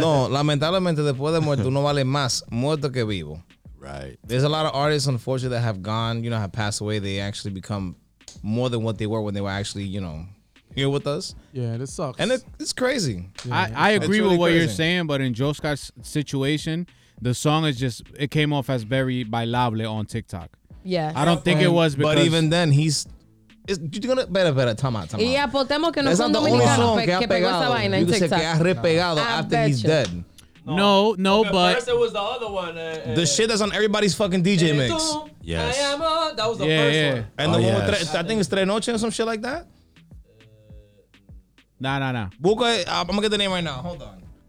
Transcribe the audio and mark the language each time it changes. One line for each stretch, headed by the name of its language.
Spanish: No, lamentablemente, después de muerto, uno vale más muerto que vivo.
English: Right. There's a lot of artists, unfortunately, that have gone, you know, have passed away. They actually become more than what they were when they were actually, you know, here with us. Yeah, this sucks. And it's crazy. I agree really with what you're saying, but in Joe Scott's situation, the song is just, it came off as very bailable on TikTok. Yeah. I don't think it was because. But even then, you're going to, better, time out.
Spanish: Y apostemos que no son dominicanos que pegó esa vaina en TikTok.
English: You said
Spanish: que ha repegado
English: after he's dead. No, okay, but. First it was the other one. The shit that's on everybody's fucking DJ mix. Yes. That was the first one. And the one with, I think it's Tres Noches or some shit like that? Nah. I'm going to get the name right now. Hold on.